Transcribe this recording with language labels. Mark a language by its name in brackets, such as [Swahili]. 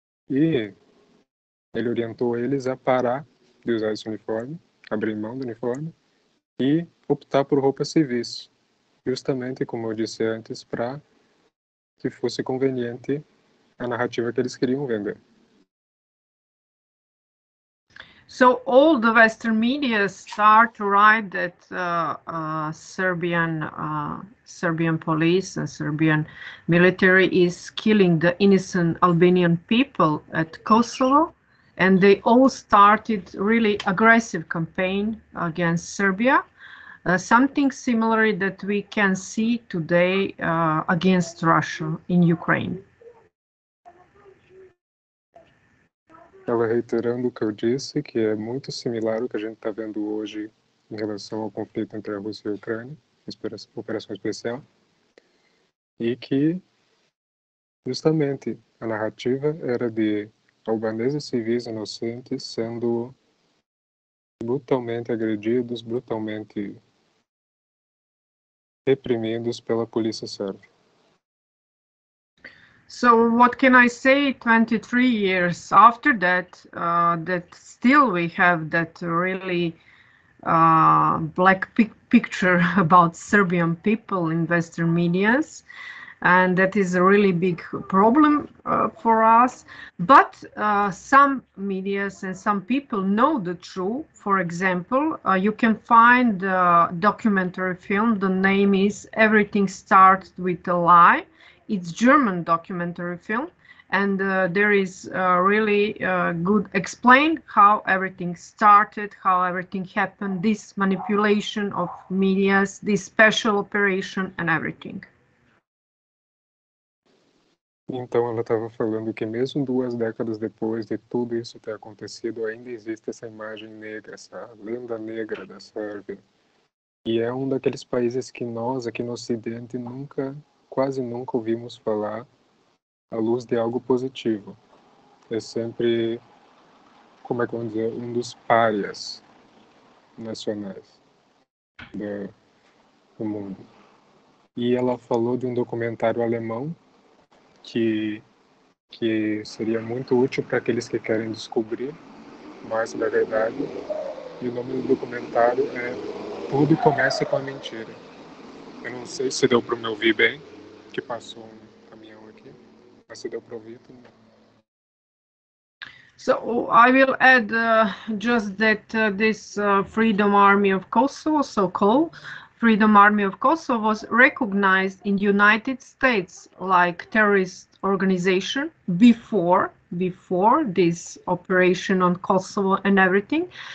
[Portuguese] E ele orientou eles a parar de usar esse uniforme, abrir mão do uniforme, e optar por roupas civis, justamente, como eu disse antes, para que fosse conveniente a narrativa que eles queriam vender. [English] So all the Western media start to write that Serbian police and Serbian military is killing the innocent Albanian people at Kosovo, and they all started really aggressive campaign against Serbia. Something similar that we can see today against Russia in Ukraine. [Portuguese] Estava reiterando o que eu disse, que é muito similar ao que a gente está vendo hoje em relação ao conflito entre a Rússia e a Ucrânia, operação especial, e que justamente a narrativa era de albaneses civis inocentes sendo brutalmente agredidos, brutalmente reprimidos pela polícia sérvia. [English] So what can I say 23 years after that, that still we have that really black picture about Serbian people in Western medias, and that is a really big problem for us. But some medias and some people know the truth. For example, you can find a documentary film, the name is Everything Starts with a Lie. It's German documentary film, and there is really good explain how everything started, how everything happened, this manipulation of medias, this special operation and everything. [Portuguese] Então ela estava falando que mesmo duas décadas depois de tudo isso ter acontecido, ainda existe essa imagem negra, essa lenda negra da Sérvia. E é um daqueles países que nós aqui no Ocidente nunca, quase nunca ouvimos falar à luz de algo positivo. É sempre, como é que vamos dizer, um dos párias nacionais do mundo. E ela falou de um documentário alemão que seria muito útil para aqueles que querem descobrir mais da verdade. E o nome do documentário é Tudo Começa com a Mentira. Eu não sei se deu para me ouvir bem, que passou um caminhão aqui, mas se deu para ouvir também. [English] So I will add just that this Freedom Army of Kosovo, so called Freedom Army of Kosovo, was recognized in the United States like terrorist organization before this operation on Kosovo and everything.